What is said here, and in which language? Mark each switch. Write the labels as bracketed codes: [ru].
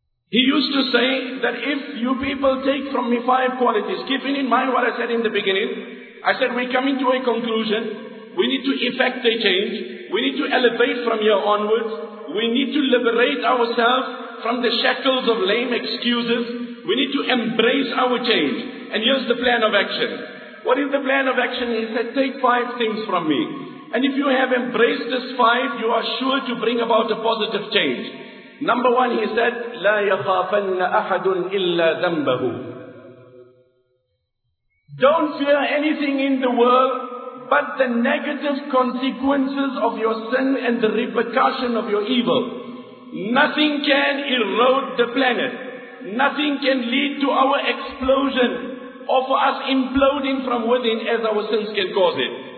[en] He used to say that if you people take from me five qualities, keeping in mind what I said in the beginning, I said we're coming to a conclusion, we need to effect a change, we need to elevate from here onwards, we need to liberate ourselves from the shackles of lame excuses, we need to embrace our change. And here's the plan of action. What is the plan of action? He said, take five things from me. And if you have embraced this five, you are sure to bring about a positive change. Number one, he said, [ar] لَا يَخَافَنَّ أَحَدٌ إِلَّا ذَنْبَهُ. [en] Don't fear anything in the world but the negative consequences of your sin and the repercussion of your evil. Nothing can erode the planet. Nothing can lead to our explosion or for us imploding from within as our sins can cause it.